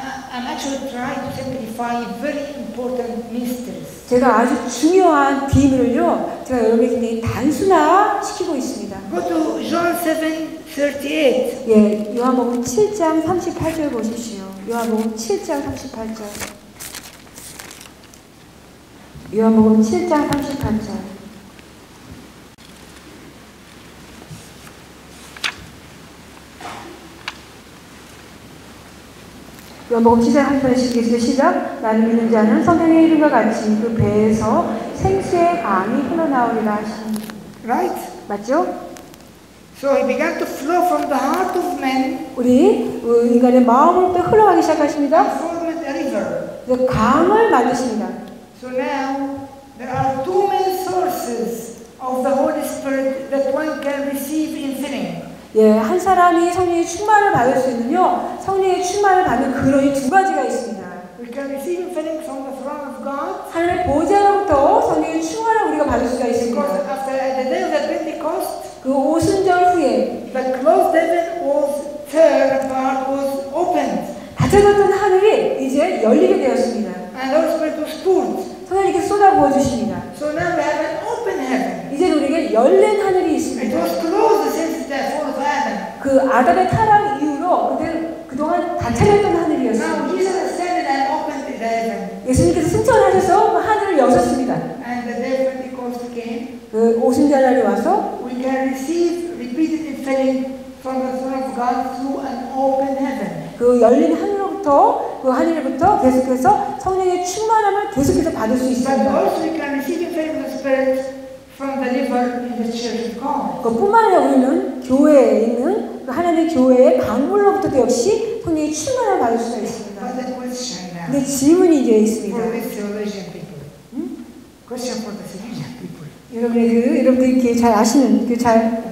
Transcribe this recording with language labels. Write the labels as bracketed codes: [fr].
[en] I'm actually trying to simplify very important mysteries. [ko] 제가 아주 중요한 비밀을요, 제가 여러분에게 굉장히 단순화시키고 있습니다. [en] Go to John 7:38. [ko] 예, 요한복음 7장 38절 보십시오. 요한복음 7장 38절. 요한복음 7장 38절. 요한복음 7장 38절 시작. 나를 믿는 자는 성경의 이름과 같이 그 배에서 생수의 강이 흘러나오리라 하신. [en] Right. [ko] 맞죠? [en] So he began to flow from the heart of man. [ko] 우리 인간의 마음으로부터 흘러가기 시작하십니다. [en] Formed a river. [ko] 이제 강을 만드십니다. [en] So now there are two main sources of the Holy Spirit that one can receive in filling. [ko] 예, 한 사람이 성령의 충만을 받을 수 있는요, 성령의 충만을 받는 그런 두 가지가 있습니다. [en] We can receive filling from the throne of God. [ko] 하늘 보좌로부터 성령의 충만을 우리가 받을 수가 있습니다. [en] Because after the day of the Pentecost, [ko] 그 오순절 후에, [en] the closed heaven was tear apart, was opened. [ko] 닫혀졌던 하늘이 이제 열리게 되었습니다. [en] And the Holy Spirit was poured. [ko] 성령이 쏟아 부어 주십니다. [en] So now we have an open heaven. [ko] 이제 우리에게 열린 하늘이 있습니다. [en] It was closed since the fall of Adam. [ko] 그 아담의 타락 이후로 그동안 닫혀졌던 하늘이었어요. [en] Now Jesus ascended and opened the heaven. [ko] 예수님께서 승천하셔서 그 하늘을 여셨습니다. [en] And the day of Pentecost came. [ko] 그 오순절 날이 와서 [en] we can receive repeated filling from the throne of God through an open heaven. [ko] 그 열린 하늘로부터 그 하늘부터 계속해서 성령의 충만함을 계속해서 받을 수 있습니다. [en] But also we can receive filling of spirit from the river in the church of God. [ko] 그뿐만 아니라 우리는 교회에 있는 그 하나님의 교회의 강물로부터도 역시 성령의 충만함을 받을 수 있습니다. [en] But the question now. [ko] 근데 질문이 이제 있습니다. [en] For the theologian people. [ko] 응? [en] Question for the theologian people. [ko] 여러분의 그 여러분들께 잘 아시는 그 잘